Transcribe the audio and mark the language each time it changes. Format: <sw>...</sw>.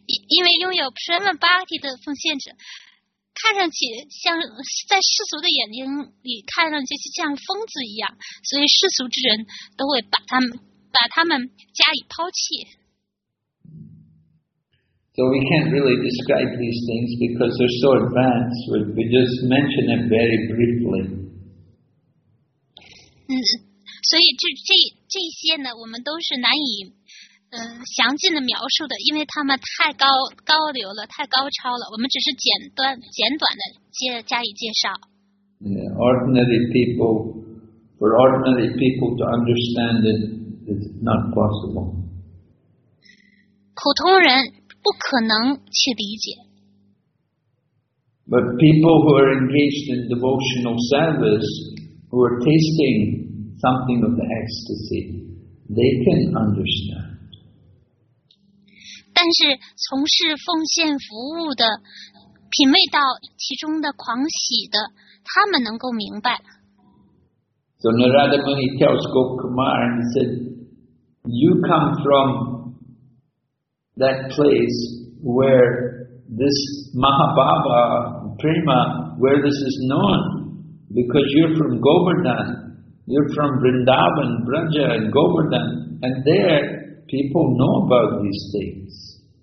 <zh>因为拥有 prema bhakti 的奉献者，看上去像在世俗的眼睛里看上去像疯子一样，所以世俗之人都会把他们加以抛弃。</zh> <en>So we can't really describe these things because they're so advanced. We just mention them very briefly.</en> <zh>所以这些呢，我们都是难以详尽的描述的，因为他们太高流了，太高超了。我们只是简短的加以介绍。</zh> <en>Yeah, for ordinary people to understand it is not possible.</en> <zh>普通人。不可能去理解。</zh> <en>But people who are engaged in devotional service, who are tasting something of the ecstasy, they can understand.</en> <zh>但是从事奉献服务的，品味到其中的狂喜的，他们能够明白。</zh> <en>So Narada Muni tells Gopkumar and said, "You come from." That place where this Mahabhava Prema, where this is known, because you're from Govardhan, you're from Vrindavan, Braja, and Govardhan, and there people know about these things.</en>